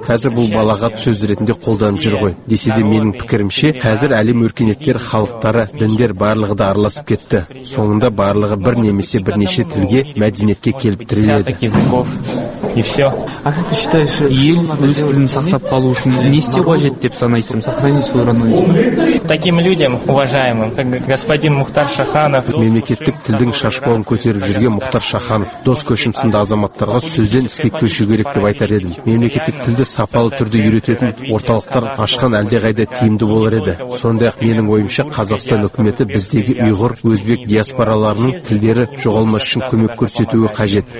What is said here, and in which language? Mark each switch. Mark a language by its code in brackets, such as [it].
[kk] Қазір бұл балағат сөз ретінде қолданып жүр ғой. Десе де менің пікірімше, қазір әлем өркениеттер халықтары, діндер барлығы да араласып кетті. Соңында барлығы бір немесе бірнеше тілге, мәдениетке келіп тіреледі. [ru] И все. А как ты считаешь, [kk] ел өз тілін сақтап қалу үшін не істеу қажет деп санайсың? [ru] Сохрани свою родную. Таким людям, уважаемым, господин Мухтар Шаханов. [kk] Мемлекеттік тілдің шашпауын көтеріп жүрген Мухтар Шаханов, дос көшім сынды азаматтарға сөзден іске көшу керек деп айтар едім. Мемлекеттік тілді сапалы түрде үйрететін орталықтар ашқан әлдеқайда тиімді болар еді. Сондай-ақ менің ойымша Қазақстан үкіметі біздегі ұйғыр, өзбек диаспораларының тілдері жоғалмас үшін көмек көрсетуі қажет.